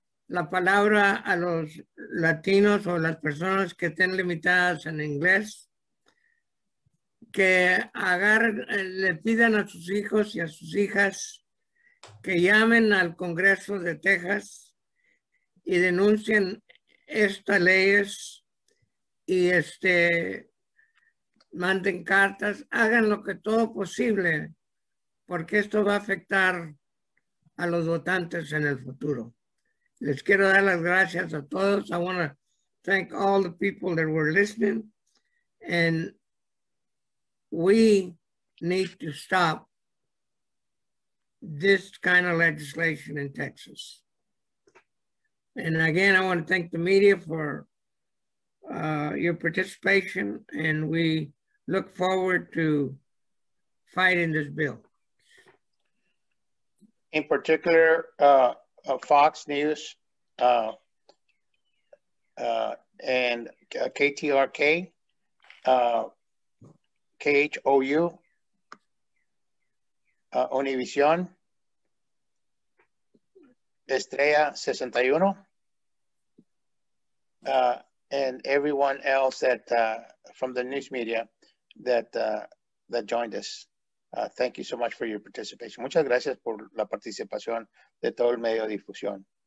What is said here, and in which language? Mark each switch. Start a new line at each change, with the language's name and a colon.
Spanish: la palabra a los latinos o las personas que estén limitadas en inglés, que le pidan a sus hijos y a sus hijas que llamen al Congreso de Texas y denuncien estas leyes y manden cartas, hagan lo que todo posible, porque esto va a afectar a los votantes en el futuro. Les quiero dar las gracias a todos.
English: I want to thank all the people that were listening. And we need to stop this kind of legislation in Texas. And again, I want to thank the media for your participation. And we look forward to fighting this bill. In particular, Fox News and KTRK, KHOU, Univision, Estrella 61, and everyone else that from the news media that joined us. Thank you so much for your participation.
Spanish: Muchas gracias por la participación de todo el medio de difusión.